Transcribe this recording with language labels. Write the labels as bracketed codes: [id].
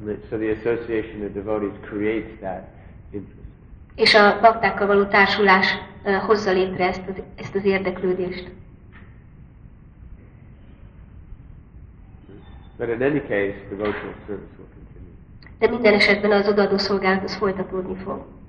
[en] So the association of devotees creates that interest. [hu] És a baktákkal való társulás hozza létre ezt az érdeklődést. [en] But in any case, devotional service will continue. [hu] De minden esetben az odaadó szolgálat az folytatódni fog.